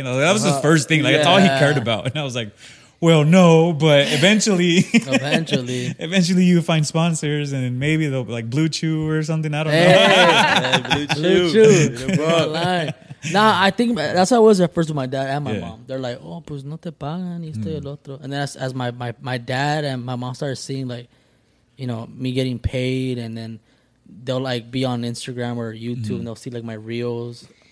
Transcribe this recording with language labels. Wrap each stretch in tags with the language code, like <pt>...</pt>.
<en>And that was his first thing. Like, that's all he cared about. And I was like, well, no, but eventually. Eventually you find sponsors and maybe they'll be like Blue Chew or something. I don't know. Blue Chew. You're like, nah, I think that's how it was at first with my dad and my mom. They're like, oh,</en> <es>pues no te pagan. Y esto y el otro.</es> <en>And then as my dad and my mom started seeing, like, you know, me getting paid, and then they'll like be on Instagram or YouTube and they'll see like my reels.</en>